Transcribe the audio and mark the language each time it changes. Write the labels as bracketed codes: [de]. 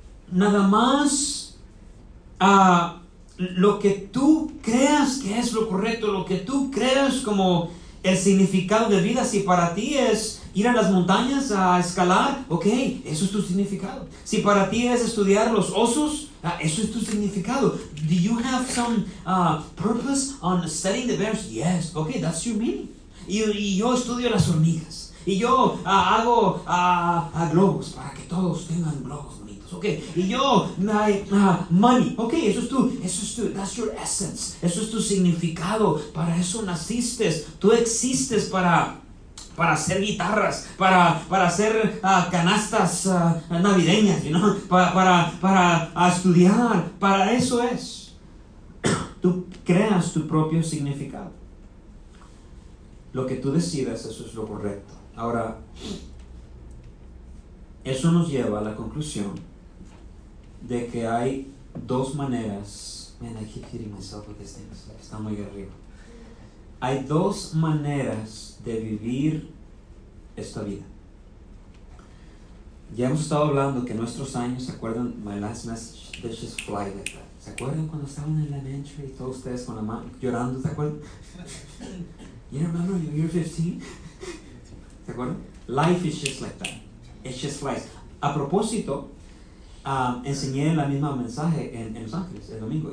[es] Nada más lo que tú creas que es lo correcto, lo que tú creas como el significado de vida, si para ti es ir a las montañas a escalar, ok, eso es tu significado. Si para ti es estudiar los osos, eso es tu significado. [en] Do you have some purpose on studying the bears? Yes, ok, that's your meaning. [es] Y yo estudio las hormigas. Y yo hago a globos para que todos tengan globos bonitos, ok. Y yo, money, ok, eso es tu, [en] that's your essence. [es] Eso es tu significado, para eso naciste. Tú existes para hacer guitarras, para hacer canastas navideñas, [en] you know? [es] Para estudiar, para eso es. Tú creas tu propio significado. Lo que tú decidas, eso es lo correcto. Ahora, eso nos lleva a la conclusión de que hay dos maneras. [en] Man, I keep hitting myself with these things. [es] Está muy arriba. Hay dos maneras de vivir esta vida. Ya hemos estado hablando que nuestros años, ¿se acuerdan? [en] My last message, let's just fly like that. [es] ¿Se acuerdan cuando estaban en elementary y todos ustedes con la mano llorando? ¿Se acuerdan? [en] You remember when you were 15? [es] ¿Se acuerdan? [en] Life is just like that. It just flies. [es] A propósito, enseñé la misma mensaje en Los Ángeles el domingo.